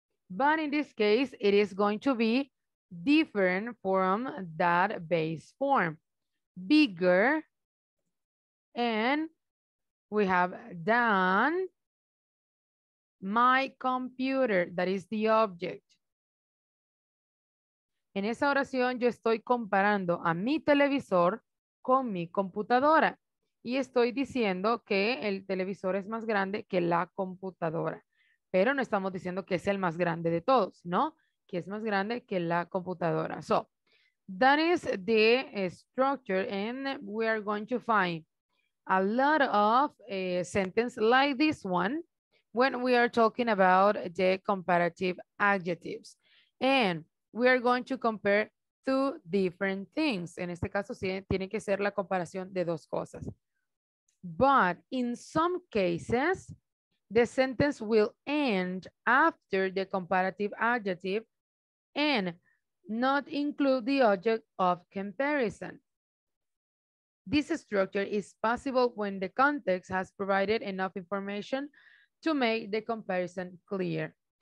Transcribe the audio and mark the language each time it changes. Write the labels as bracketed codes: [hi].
[en] But in this case, it is going to be different from that base form. Bigger, and we have than my computer, that is the object. [es] En esa oración, yo estoy comparando a mi televisor con mi computadora. Y estoy diciendo que el televisor es más grande que la computadora. Pero no estamos diciendo que es el más grande de todos, ¿no? Que es más grande que la computadora. [en] So, that is the structure, and we are going to find a lot of sentences like this one when we are talking about the comparative adjectives. And we are going to compare two different things. [es] En este caso, sí, tiene que ser la comparación de dos cosas. [en] But in some cases, the sentence will end after the comparative adjective and not include the object of comparison. This structure is possible when the context has provided enough information to make the comparison clear.